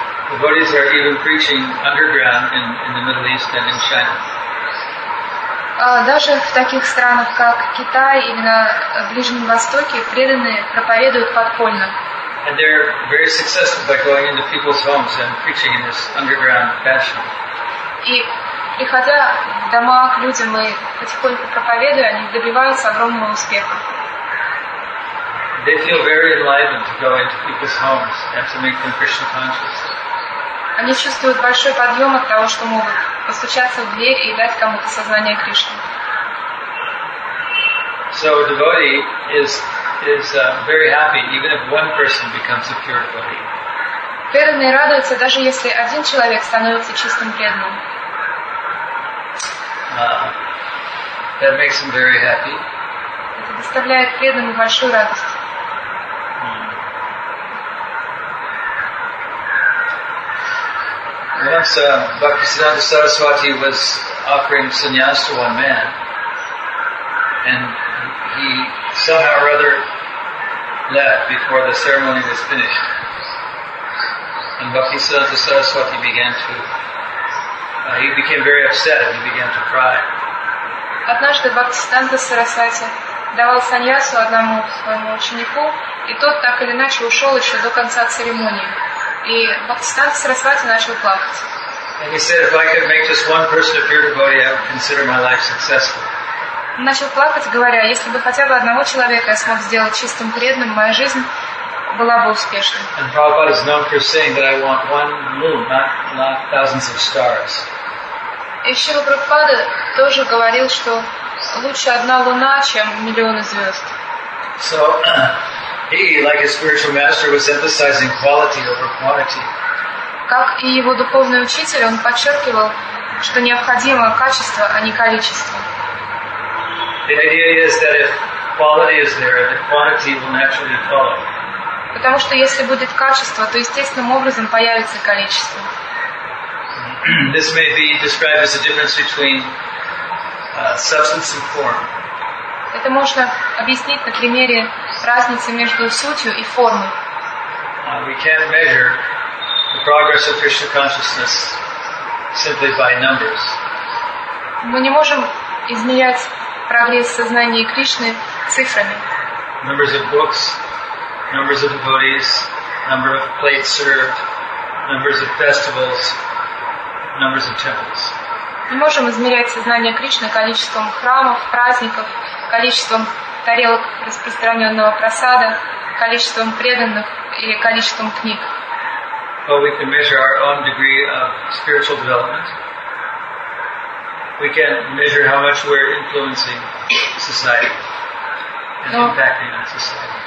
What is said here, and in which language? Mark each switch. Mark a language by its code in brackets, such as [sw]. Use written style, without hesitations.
[en] Devotees are even preaching underground in the Middle East and in China. [ru] Даже в таких странах, как Китай или на Ближнем Востоке, преданные проповедуют подпольно. [en] And they're very successful by going into people's homes and preaching in this underground fashion. [ru] И приходя в дома к людям и потихоньку проповедуя, они добиваются огромного успеха. [en] They feel very enlightened to go into people's homes and to make them Krishna conscious. [ru] Они чувствуют большой подъем от того, что могут постучаться в дверь и дать кому-то сознание Кришны. [en] So a devotee is very happy even if one person becomes a pure devotee. [ru] Преданный радуется, даже если один человек становится чистым преданным. [en] That makes him very happy. [ru] Это доставляет преданному большую радость. [en] Once Bhaktisiddhanta Saraswati was offering sannyas to one man, and he somehow or other left before the ceremony was finished. And Bhaktisiddhanta Saraswati began to, he became very upset and he began to cry. [ru] Однажды Бхактисиддханта Сарасвати давал саньясу одному своему ученику, и тот так или иначе ушел еще до конца церемонии. И Бхактисиддханта Сарасвати начал плакать. [en] He said, if I could make just one person a pure devotee, I would consider my life successful. [ru] Начал плакать, говоря, если бы хотя бы одного человека я смог сделать чистым преданным, моя жизнь была бы успешной. [en] And Prabhupada is known for saying that I want one moon, not thousands of stars. [ru] И Шрила Прабхупада тоже говорил, что лучше одна луна, чем миллионы звезд. [en] So, he, like his spiritual master, was emphasizing quality over quantity. [ru] Как и его духовный учитель, он подчеркивал, что необходимо качество, а не количество. [en] The idea is that if quality is there, the quantity will naturally follow. [ru] Потому что если будет качество, то естественным образом появится количество. [en] This may be described as the difference between substance and form. [ru] Это можно объяснить на примере разницы между сутью и формой. [en] We can't measure the progress of Krishna consciousness simply by numbers. [ru] Мы не можем измерять прогресс сознания Кришны цифрами. [en] Numbers of books, numbers of devotees, number of plates served, numbers of festivals, numbers of temples. [ru] Не можем измерять сознание Кришны количеством храмов, праздников, количеством тарелок распространенного просада, количеством преданных и количеством книг. [en] But we can measure our own degree of spiritual development. We can measure how much we're influencing society and impacting on society.